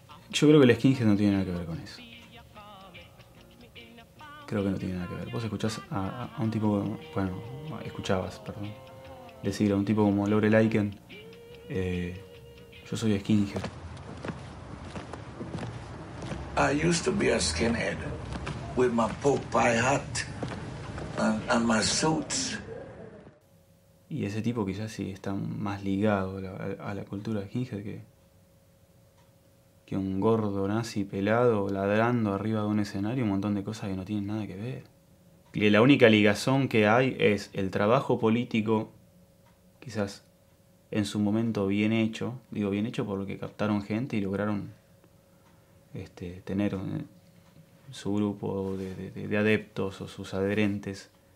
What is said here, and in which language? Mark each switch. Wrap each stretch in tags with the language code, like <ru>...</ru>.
<es>Yo creo que el skinhead no tiene nada que ver con eso. Creo que no tiene nada que ver. Vos escuchás a un tipo, bueno, escuchabas, perdón, decir a un tipo como Lore Lycan, yo soy skinhead.</es> <en>I used to be a skinhead with my pork pie hat and my suits.</en> <es>Y ese tipo quizás sí está más ligado a la cultura de skinhead que un gordo nazi pelado ladrando arriba de un escenario, un montón de cosas que no tienen nada que ver. Y la única ligazón que hay es el trabajo político, quizás en su momento bien hecho, digo bien hecho porque captaron gente y lograron tener su grupo de adeptos o sus adherentes.</es>